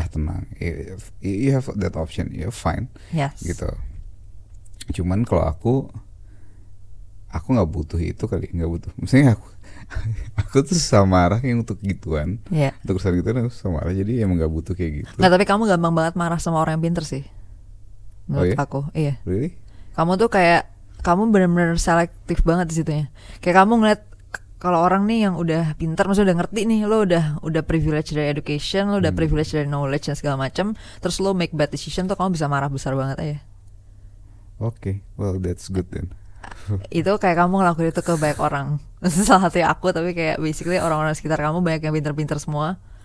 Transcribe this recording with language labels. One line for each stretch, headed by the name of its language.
English: ah tenang, you have that option, you're fine Yes.
Indonesian: gitu. Cuman kalau aku nggak butuh itu kali, nggak butuh. Maksudnya aku tuh susah marah yang untuk gituan, Ya. untuk urusan gituan aku susah marah. Jadi emang nggak butuh kayak gitu. Nggak, tapi kamu gampang banget marah sama orang yang pinter sih. Oh Menurut ya, aku, iya.
English: really?
Indonesian: Kamu tuh kayak kamu benar-benar selektif banget di situnya. Kayak kamu ngeliat kalau orang nih yang udah pintar, maksudnya udah ngerti nih, lo udah privilege dari education, lo udah privilege dari knowledge dan segala macam, terus lo
English: make bad decision
Indonesian: tuh kamu bisa marah besar banget aja.
English: Okay, well that's good then.
Indonesian: Itu kayak kamu ngelakuin itu ke banyak orang. Salah satu aku, tapi kayak basically orang-orang sekitar kamu banyak yang pintar-pintar semua.